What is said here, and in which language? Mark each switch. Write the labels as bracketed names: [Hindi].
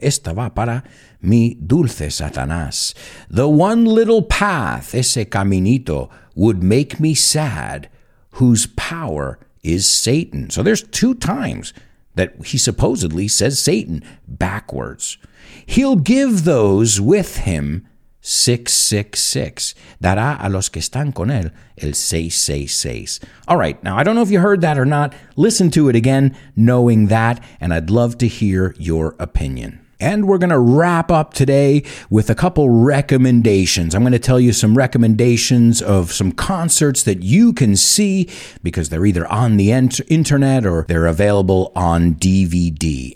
[Spanish] Esta va para mi dulce Satanás. [English] The one little path, [Spanish] ese caminito, [English] would make me sad, whose power is Satan. So there's two times that he supposedly says Satan backwards. He'll give those with him 666. [Spanish] Dará a los que están con él el 666. [English] All right, now I don't know if you heard that or not. Listen to it again, knowing that, and I'd love to hear your opinion. And we're going to wrap up today with a couple recommendations. I'm going to tell you some recommendations of some concerts that you can see because they're either on the internet or they're available on DVD.